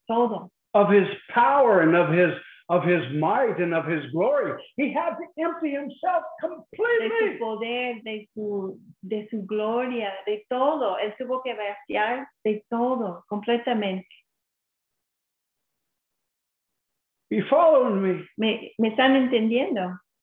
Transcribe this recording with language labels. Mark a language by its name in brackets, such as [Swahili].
[Spanish] Todo. [English] Of his power and of his might and of his glory. He had to empty himself completely. [Spanish] De su poder, de su gloria, de todo. Él tuvo que vaciar de todo, completamente. [English] You following me? [Spanish] ¿Me están entendiendo?